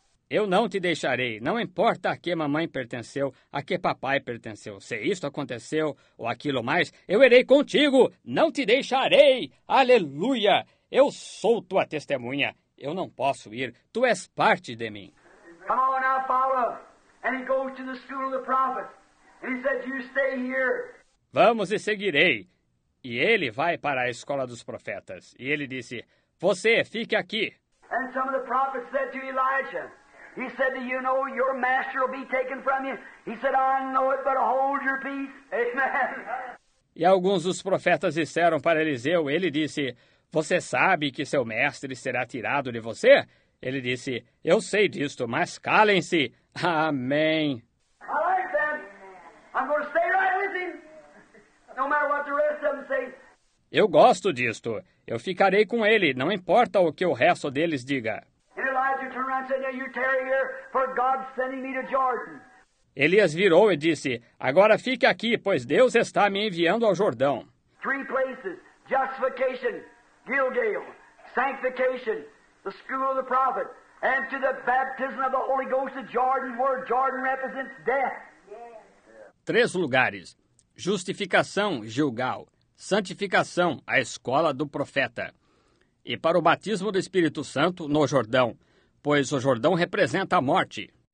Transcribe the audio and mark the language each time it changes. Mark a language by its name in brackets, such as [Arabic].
[Portuguese] Eu não te deixarei, não importa a que mamãe pertenceu, a que papai pertenceu, se isto aconteceu ou aquilo mais, eu irei contigo, não te deixarei, aleluia, eu sou tua testemunha, eu não posso ir, tu és parte de mim. [English] Come on now, follow. And he goes to the school of the prophet. And he says, you stay here. [Portuguese] Vamos e seguirei. E ele vai para a escola dos profetas. E ele disse, você fique aqui. [English] And some of the prophets said to Elijah, he said, do you know your master will be taken from you? He said, I know it, but hold your peace. Amen. [Portuguese] E alguns dos profetas disseram para Eliseu, ele disse, você sabe que seu mestre será tirado de você? Ele disse, eu sei disto, mas calem-se. Amém. [English] I like that. I'm going to stay right with him. No matter what the rest of them say. [Portuguese] Eu gosto disto. Eu ficarei com ele, não importa o que o resto deles diga. [English] And Elijah turned around and said, you tarry here, for God's sending me to Jordan. [Portuguese] Elias virou e disse, agora fique aqui, pois Deus está me enviando ao Jordão. [English] Three places, justification, Gilgal, sanctification, the school of the prophet, and to the baptism of the Holy Ghost at Jordan, where Jordan represents death. [Portuguese] Três lugares, justificação, Gilgal, santificação, a escola do profeta, e para o batismo do Espírito Santo no Jordão, pois o Jordão representa a morte.